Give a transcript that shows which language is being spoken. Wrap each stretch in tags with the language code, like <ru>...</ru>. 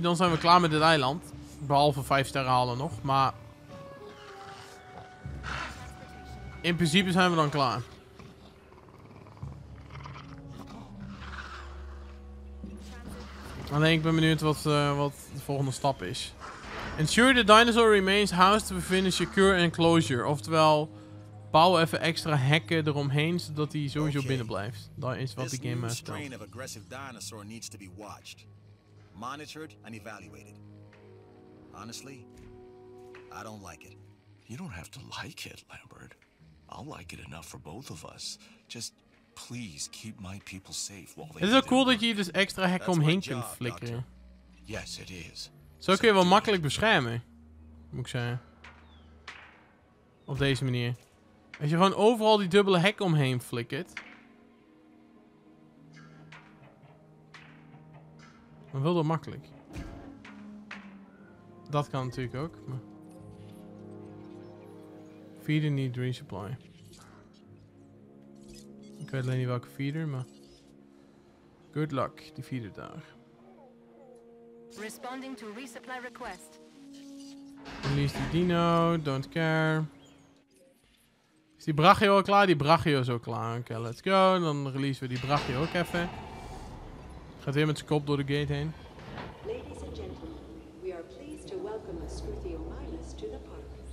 <nl>Dan zijn we klaar met het eiland. Behalve 5 sterren halen nog, maar... In principe zijn we dan klaar. Alleen ik ben benieuwd wat de volgende stap is.</nl> <en>Ensure the dinosaur remains housed to within a secure enclosure.</en> <nl>Oftewel, bouw even extra hekken eromheen zodat hij sowieso binnen blijft. Dat is wat de game uitstelt.</nl> <en>This strain of aggressive dinosaur needs to be watched, monitored and evaluated. Honestly, I don't like it. You don't have to like it, Lambert. I'll like it enough for both of us. Just please keep my people safe while they.</en> <nl>Is het cool dat je dus extra hek omheen kunt flikkeren?</nl> <en>Yes, it is.</en> <nl>Zo kun je wel makkelijk beschermen, moet ik zeggen. Op deze manier. Als je gewoon overal die dubbele hek omheen flikkert. Dan wil dat makkelijk. Dat kan natuurlijk ook. Maar...</nl> <en>Feeder need resupply.</en> <nl>Ik weet alleen niet welke feeder, maar...</nl> <en>Good luck,</en> <nl>die feeder daar.</nl> <en>Responding to resupply request. Release the dino, don't care.</en> <nl>Is die Brachio al klaar? Die Brachio is al klaar. Oké,</nl> <en>okay, let's go.</en> <nl>Dan releasen we die Brachio ook even. Gaat weer met zijn kop door de gate heen.</nl> <en>Ladies and gentlemen, we are pleased to welcome a Scruthio Minus to the park.</en>